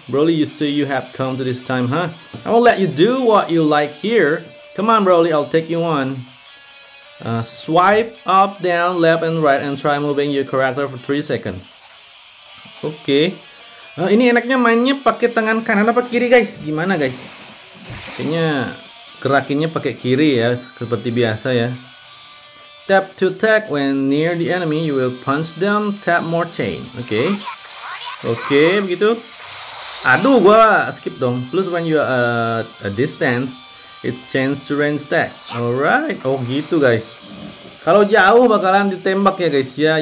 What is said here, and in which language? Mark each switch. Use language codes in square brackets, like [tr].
[en] Broly, you see you have come to this time, huh? I will let you do what you like here. Come on, Broly, I'll take you on. Swipe up, down, left, and right, and try moving your character for 3 seconds. Okay. [id] Ini enaknya mainnya pakai tangan kanan apa kiri, guys? Gimana, guys? Kayaknya gerakinnya pakai kiri ya, seperti biasa ya. [en] Tap to attack when near the enemy, you will punch them. Tap more chain. [id] Okay, begitu. Aduh, gua skip dong. [en] Plus when you are a distance, it's chance to range attack. [id] Alright, oh gitu guys. Kalau jauh bakalan ditembak ya guys ya.